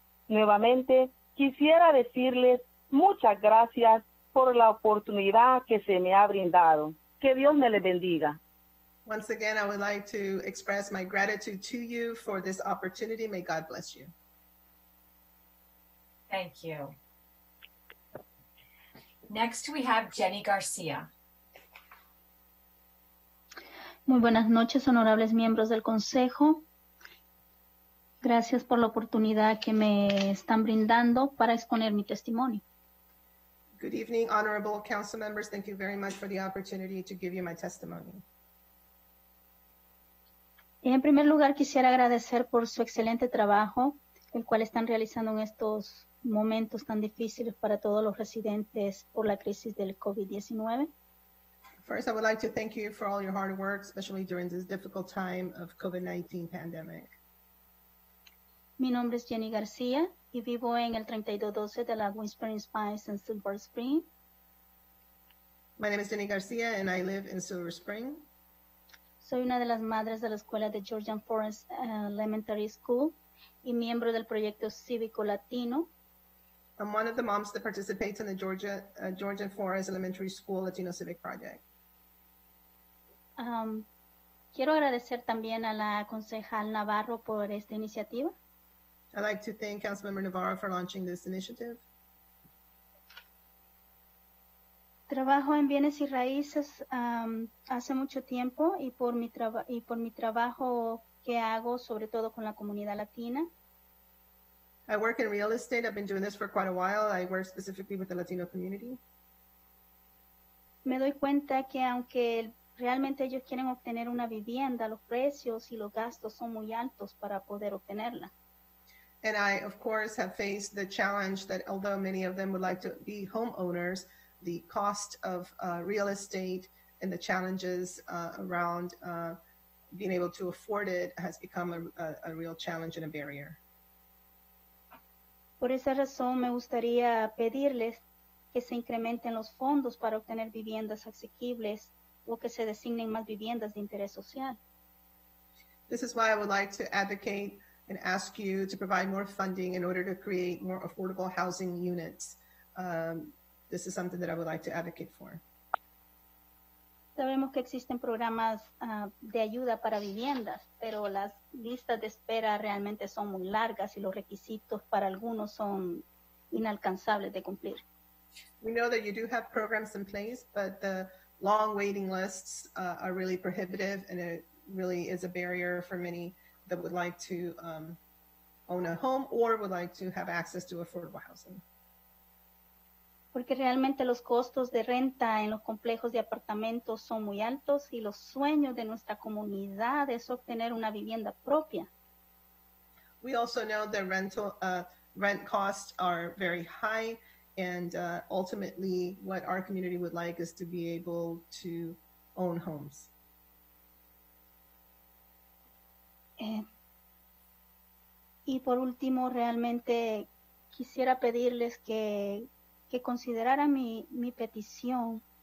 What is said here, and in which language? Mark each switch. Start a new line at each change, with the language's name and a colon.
Spanish: Nuevamente, quisiera decirles muchas gracias por la oportunidad que se me ha brindado. Que Dios me les bendiga.
English: Once again, I would like to express my gratitude to you for this opportunity. May God bless you. Thank you. Next, we have Jenny Garcia.
Spanish: Muy buenas noches, honorables miembros del Consejo. Gracias por la oportunidad que me están brindando para exponer mi testimonio.
English: Good evening, honorable council members. Thank you very much for the opportunity to give you my testimony.
Spanish: En primer lugar, quisiera agradecer por su excelente trabajo, el cual están realizando en estos momentos tan difíciles para todos los residentes por la crisis del COVID-19.
English: First, I would like to thank you for all your hard work, especially during this difficult time of COVID-19 pandemic.
Spanish: Mi nombre es Jenny García y vivo en el 3212 de la Whispering Spines en Silver Spring.
English: My name is Jenny García and I live in Silver Spring.
Spanish: Soy una de las madres de la escuela de Georgian Forest Elementary School y miembro del proyecto Cívico Latino.
English: I'm one of the moms that participates in the Georgian Forest Elementary School Latino Civic Project.
Spanish: Quiero agradecer también a la concejal Navarro por esta iniciativa.
English: I'd like to thank Councilmember Navarro for launching this initiative.
Spanish: Trabajo en bienes y raíces hace mucho tiempo y por mi trabajo que hago, sobre todo con la comunidad latina.
English: I work in real estate. I've been doing this for quite a while. I work specifically with the Latino community.
Spanish: Me doy cuenta que aunque realmente ellos quieren obtener una vivienda, los precios y los gastos son muy altos para poder obtenerla.
English: And I, of course, have faced the challenge that although many of them would like to be homeowners, the cost of real estate and the challenges around being able to afford it has become a real challenge and a barrier.
Spanish: Por esa razón, me gustaría pedirles que se incrementen los fondos para obtener viviendas asequibles o que se designen más viviendas de interés social.
English: This is why I would like to advocate and ask you to provide more funding in order to create more affordable housing units. This is something that I would like to advocate for.
Spanish: Sabemos que existen programas de ayuda para viviendas, pero las listas de espera realmente son muy largas y los requisitos para algunos son inalcanzables de cumplir.
English: We know that you do have programs in place, but the long waiting lists are really prohibitive, and it really is a barrier for many that would like to own a home or would like to have access to affordable housing.
Spanish: Porque realmente los costos de renta en los complejos de apartamentos son muy altos y los sueños de nuestra comunidad es obtener una vivienda propia.
English: We also know that rent costs are very high, and ultimately what our community would like is to be able to own homes.
Spanish: Y por último, realmente quisiera pedirles que consideraran mi petición.